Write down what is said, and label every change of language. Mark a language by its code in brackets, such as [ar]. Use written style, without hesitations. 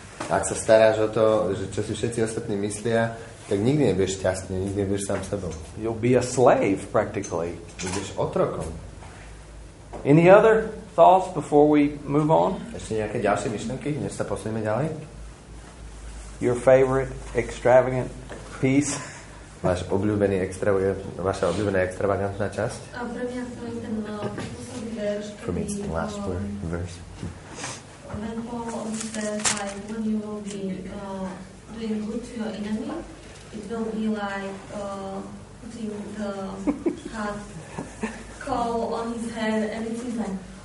[sk] Ak sa staráš o to, že čo si všetci ostatní myslia, tak nikdy nebudeš šťastný, nikdy nebudeš sám sebou. [en] You'll be a slave, practically. [sk] Budeš otrokom. [en] Any other thoughts before we move on? [sk] Ešte nejaké ďalšie myšlenky, než sa posuneme ďalej? [en] Your favorite extravagant piece. [sk] Váš obľúbený vaša obľúbená extravagantná časť. A pre mňa to je ten posledný [en] verš. It's the last verse. When Paul says, like, when you will be doing good to your enemy, it will be like putting the hot coal on his head and it is like,